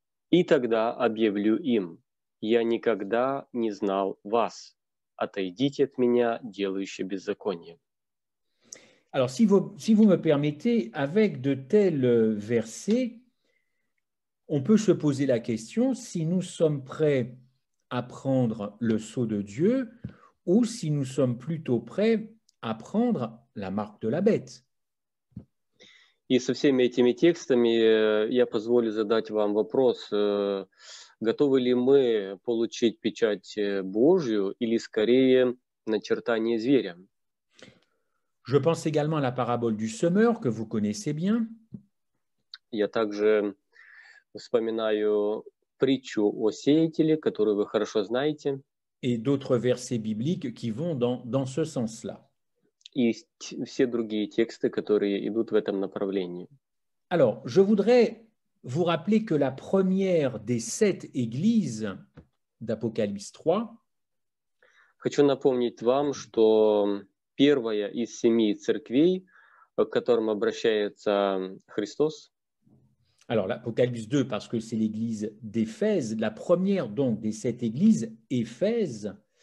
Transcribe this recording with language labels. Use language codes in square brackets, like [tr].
[ru] И тогда объявлю им, я никогда не знал вас, отойдите от меня, делающие беззаконие. [fr] Alors, si vous me permettez, avec de tels versets, on peut se poser la question, si nous sommes prêts à prendre le sceau de Dieu ou si nous sommes plutôt prêts à prendre la marque de la bête. Et [ru] со всеми этими текстами я позволю задать вам вопрос, готовы ли мы получить печать Божью или скорее начертание зверя? [fr] Je pense également à la parabole du semeur que vous connaissez bien. [ru] Я также вспоминаю притчу о сеятеле, которую вы хорошо знаете. [fr] Et d'autres versets bibliques qui vont dans ce sens-là. Et [ru] все другие тексты, которые идут в этом направлении. [fr] Alors, je voudrais vous rappeler que la première des sept églises d'Apocalypse 3. [ru] Хочу напомнить вам, что первая из семи церквей, к которым обращается Христос. [fr] Alors, l'Apocalypse 2, parce que c'est l'église d'Éphèse, la première, donc, des sept églises, Éphèse.